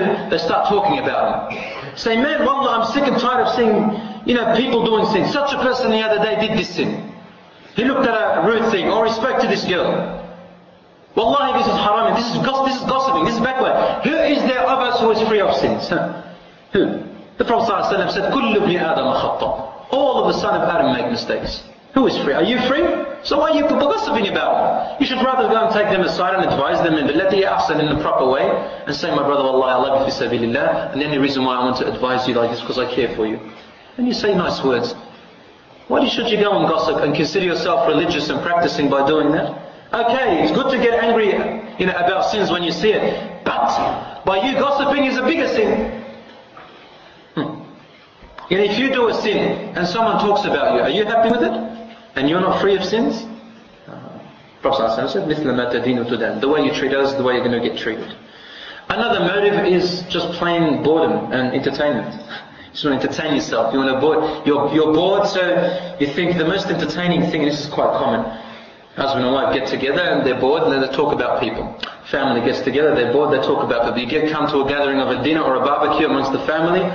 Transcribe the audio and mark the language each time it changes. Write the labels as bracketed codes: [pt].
[en] They start talking about him. Say, man, wallah, I'm sick and tired of seeing, you know, people doing sins. Such a person the other day did this sin. He looked at a rude thing, or he spoke to this girl. Wallahi, this is haram, this is gossiping, this is backward. Who is there of us who is free of sins? Who? The Prophet ﷺ said, [ar] كُلُّ بْنِ آدَمَ خَطَّى. [en] All of the son of Adam make mistakes. Who is free? Are you free? So why are you people gossiping about? You should rather go and take them aside and advise them in [ar] بِلَّتِي أَحْسَنِ [en] in the proper way, and say, my brother, wallahi, I love you fi sabilillah, and the only reason why I want to advise you like this is because I care for you. And you say nice words. Why should you go and gossip and consider yourself religious and practicing by doing that? Okay, it's good to get angry, you know, about sins when you see it, but by you gossiping is a bigger sin. And if you do a sin and someone talks about you, are you happy with it? And you're not free of sins? Prophet said, [ar] مِثْلَ مَا تَدِينُ تُدَانُ. [en] The way you treat others is the way you're going to get treated. Another motive is just plain boredom and entertainment. You just want to entertain yourself. You want to bored. You're bored, so you think the most entertaining thing, and this is quite common. Husband and wife get together and they're bored, and then they talk about people. Family gets together, they're bored, they talk about people. You get come to a gathering of a dinner or a barbecue amongst the family.